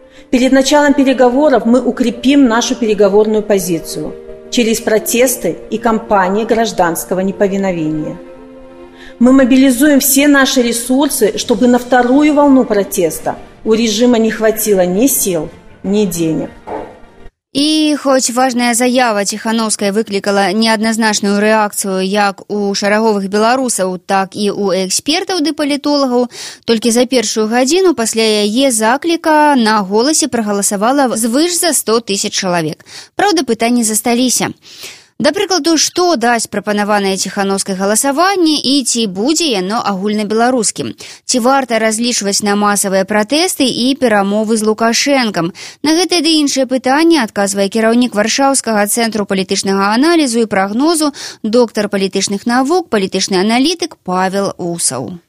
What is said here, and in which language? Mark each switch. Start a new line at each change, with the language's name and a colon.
Russian: Перед началом переговоров мы укрепим нашу переговорную позицию через протесты и кампании гражданского неповиновения. Мы мобилизуем все наши ресурсы, чтобы на вторую волну протеста у режима не хватило ни сил, ни денег.
Ukrainian: І хоч важная заява Тихановської викликала неоднозначну реакцію як у шарагових білорусів, так і у експертів та політологів, тільки за першу годину після її закліка на голосі проголосувало звиш за 100 тисяч чоловік. Правда, питання засталися.
Belarusian: До прикладу, што дасць прапанаванае Ціхановскай галасаванне і ці будзе яно агульнабеларускім? Ці варта разлічваць на масавыя пратэсты і перамовы з Лукашэнкам? На гэта ды іншае пытанне адказвае кіраўнік Варшаўскага цэнтру палітычнага аналізу і прагнозу, доктар палітычных навук, палітычны аналітык Павел Усаў.